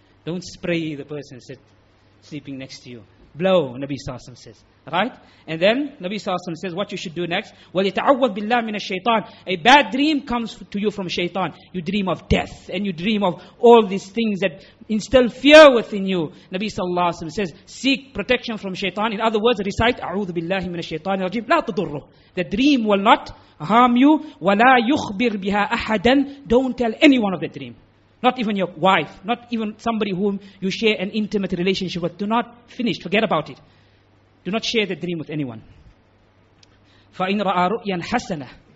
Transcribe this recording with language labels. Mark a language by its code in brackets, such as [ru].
[en] Don't spray the person said sleeping next to you. Blow, Nabi Sallallahu Alaihi Wasallam says. Right? And then Nabi Sallallahu Alaihi Wasallam says, what you should do next? Well, [ar] يَتَعَوَّذْ بِاللَّهِ مِنَ الشَّيْطَانِ. [en] A bad dream comes to you from shaitan. You dream of death and you dream of all these things that instill fear within you. Nabi Sallallahu Alaihi Wasallam says, seek protection from shaitan. In other words, recite, [ar] أَعُوذُ بِاللَّهِ مِنَ الشَّيْطَانِ الرَّجِيمِ لَا تَضُرُّهُ. [en] The dream will not harm you. [ar] وَلَا يُخْبِرْ بِهَا أَحَدًا. [en] Don't tell anyone of the dream. Not even your wife, not even somebody whom you share an intimate relationship with. Do not finish, forget about it. Do not share the dream with anyone. [ar] فَإِنْ رَأَى رُؤْيًا حَسَنَةً.